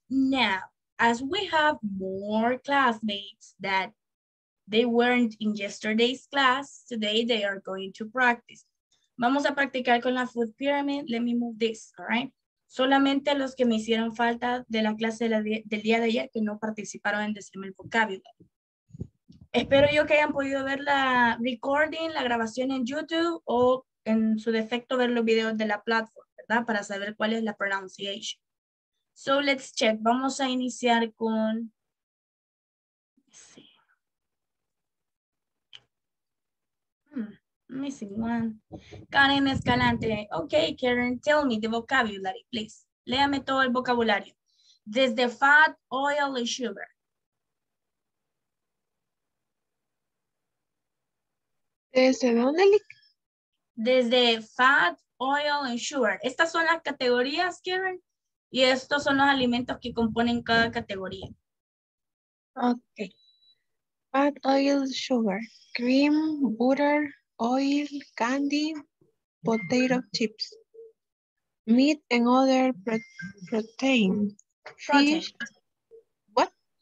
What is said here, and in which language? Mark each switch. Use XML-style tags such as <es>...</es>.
<en>Now, as we have more classmates that they weren't in yesterday's class, today they are going to practice.</en> <es>Vamos a practicar con la</es> <en>food pyramid. Let me move this, all right?</en> <es>Solamente los que me hicieron falta de la clase de la del día de ayer que no participaron en decirme el vocabulario. Espero yo que hayan podido ver la recording, la grabación en YouTube o en su defecto ver los videos de la plataforma, ¿verdad? Para saber cuál es la pronunciation.</es> <en>So let's check.</en> <es>Vamos a iniciar con...</es> <en>Let's see. Missing one. Karen Escalante. Okay, Karen, tell me the vocabulary, please.</en> <es>Léame todo el vocabulario. Desde fat, oil, and sugar. ¿Desde dónde? Desde fat, oil, and sugar. Estas son las categorías, Karen. Y estos son los alimentos que componen cada categoría.</es> <en>Okay. Fat, oil, sugar. Cream, butter, oil, candy, potato chips, meat and other protein, fish, what?</en>